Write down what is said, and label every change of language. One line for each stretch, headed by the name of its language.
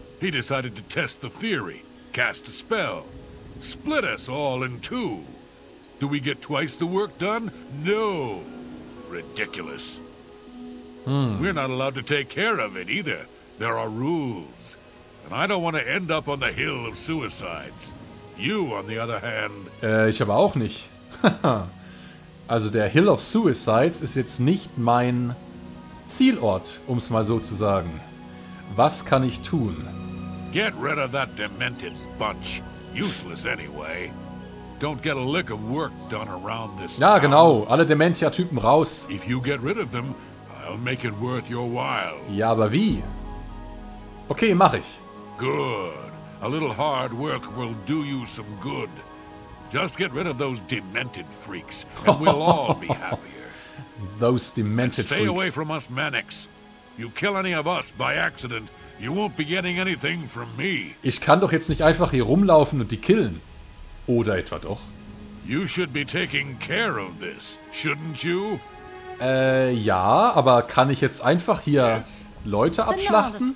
English: He decided to test the theory. Cast a spell. Split us all in two. Do we get twice the work done? No. Ridiculous. We're not allowed to take care of it either. There are rules. And I don't want to end up on the hill of suicides. You, on the other hand...
German: Ich aber auch nicht. Also der Hill of Suicides ist jetzt nicht mein Zielort, um es mal so zu sagen. Was kann ich tun?
English: Get rid of that demented bunch. Useless anyway. Don't get a lick of work done around this town.
German: Ja, genau. Alle Dementia-Typen raus.
English: If you get rid of them, I'll make it worth your while.
German: Ja, aber wie? Okay, mach ich.
English: Good. A little hard work will do you some good. Just get rid of those demented freaks, and we'll all be happier. Those demented freaks. Stay away from us manics. You kill any of us by accident, you won't be getting anything from me.
German: Ich kann doch jetzt nicht einfach hier rumlaufen und die killen. Oder etwa doch?
English: You should be taking care of this, shouldn't you?
German: Ja, aber kann ich jetzt einfach hier Leute abschlachten?